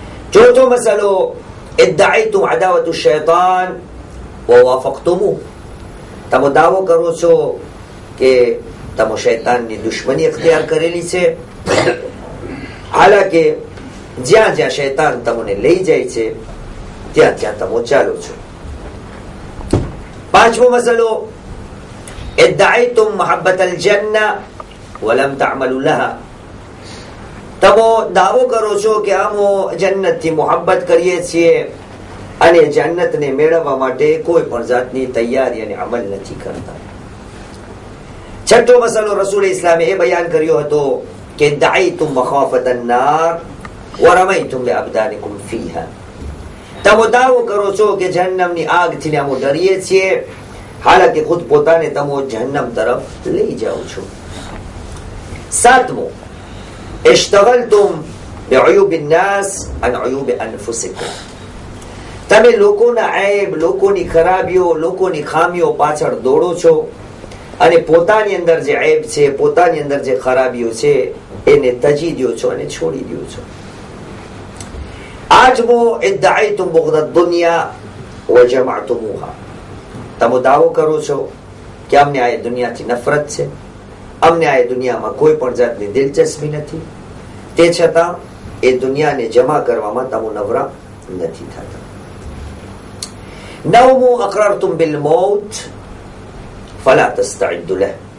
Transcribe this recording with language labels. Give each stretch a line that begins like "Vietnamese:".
Gujarati: ચોથો મસલો,
Arabic: ઇદ્દઈતુમ અદાવતુ શૈતાન વ વાફકતુમ.
Gujarati: તમે દાવો કરો છો કે તમે શૈતાનની દુશ્મની અખ્તિયાર કરેલી છે, હાલાકે જ્યાં જ્યાં શૈતાન તમને લઈ જાય છે ત્યાં ત્યાં તમે ચાલો છો. પાંચમો મસલો,
Arabic: ادعيتم محبه الجنه ولم تعملوا لها.
Gujarati: તમે દાવો કરો છો કે અમે જન્નતથી મોહબ્બત કરીએ છીએ અને જન્નતને મેળવવા માટે કોઈ પણ જાતની તૈયારી અને અમલ નથી કરતા. છઠ્ઠો મસલો, રસૂલ ઇસ્લામે એ બયાન કર્યો હતો કે
Arabic: દાઈતુમ મખાફતન નાર વરમૈતુમ બિઅબદાનિકુમ ફીહા.
Gujarati: તમે દાવો કરો છો કે જહન્નમની આગથી અમે ડરીએ છીએ, હાલાકી ખુદ પોતાને તમે જહન્નમ તરફ લઈ જાઓ છો. સાતમો,
Arabic: اشتغلتم بعيوب الناس عن عيوب انفسكم.
Gujarati: તમે લોકોના عیب, લોકોની ખરાબીઓ, લોકોની ખામીઓ પાછળ દોડો છો અને પોતાની અંદર જે عیب છે, પોતાની અંદર જે ખરાબીઓ છે એને તજી દ્યો છો અને છોડી દ્યો છો. આજમો
Arabic: ادعيتم بغض الدنيا وجمعتموها.
Gujarati: તમે દાવો કરો છો કે અમને આ દુનિયાથી નફરત છે, અમને આ દુનિયામાં કોઈ પણ જાતની દિલચસ્પી નથી, તે છતાં એ દુનિયાને જમા કરવામાં તમો નવરા નથી થતા. નવમું,
Arabic: અકરરતુમ બિલ મૌત ફલા તસ્તઈદુ લહ.